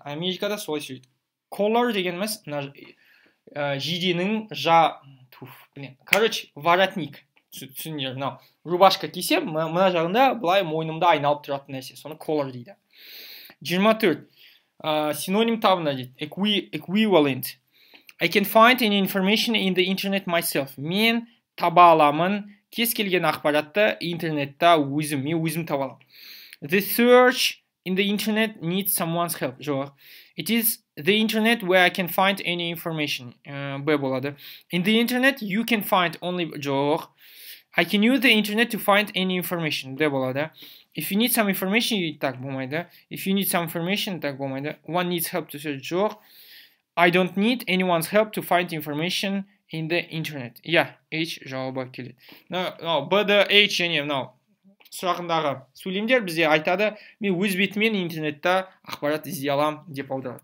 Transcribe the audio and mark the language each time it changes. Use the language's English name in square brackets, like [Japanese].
[Kazakh] Америкада солай сөйлейді. Color дегеніміз, жиденің жа... [Russian] Туф, блин. Короче, воротник. [Kazakh] Түсіндер, мынау. [Russian] Рубашка [Kazakh] кисе, мына жағында былай мойнымда айналып тұратын нәрсе. Соны color дейді. 24. Синоним табына дейді. Equivalent. [English] I can find any information in the internet myself. [Kazakh] Мен таба аламын. Кез келген ақпаратты интернетте өзім. Мен өзім таба аламын. [English] The search in the internet needs someone's help. [Kazakh] Жоқ. [English] It is the internet where I can find any information. [Kazakh] Б болады. [English] In the internet you can find only... [Kazakh] Жоқ. [English] I can use the internet to find any information. [Kazakh] Д болады. [English] If you need some information, [Kazakh] так болмайды. [English] If you need some information, так болмайды. One needs help to search. [Kazakh] Жоқ. [English] I don't need anyone's help to find information in the internet. [Kazakh] Yeah. H жауабы келеді. [English] Now, B, D, H, және, now. [Kazakh] Сұрағындағы сөйлемдер бізде айтады, мен өз бетімен интернетте ақпарат іздей алам деп аудар.